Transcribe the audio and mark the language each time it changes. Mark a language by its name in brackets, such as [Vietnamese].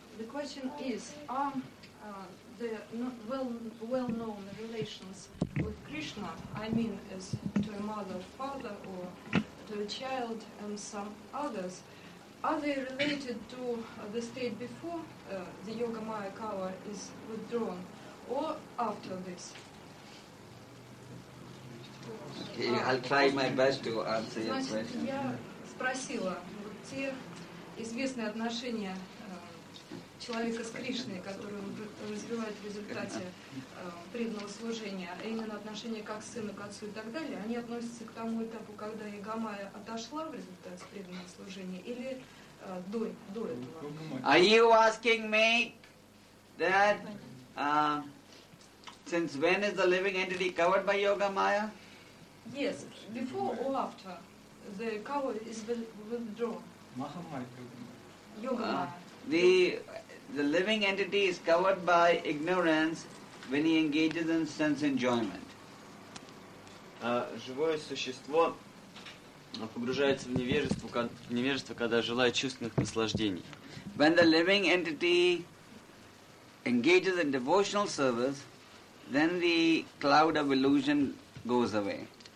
[English] The question is, are the well-known relations with Krishna, I mean as to a mother or father or to a child and some others, are they related to the state before the yoga maya cover is withdrawn or after this? Okay, I'll try my best to answer your question. [Russian] Я спросила те известные отношения человека с Кришной, которые он развивает в результате преданного служения, а именно отношения как к сыну, к отцу и так далее, они относятся к тому этапу, когда Ягамая отошла в результате преданного служения, или до этого? [English] Are you asking me that since when is the living entity covered by Ягамая? Yes, before or after the cover is withdrawn. The living entity is covered by ignorance when he engages in sense enjoyment. [Russian] Живое существо погружается в невежество, когда желает чувственных наслаждений. [English] When the living entity engages in devotional service, then the cloud of illusion goes away.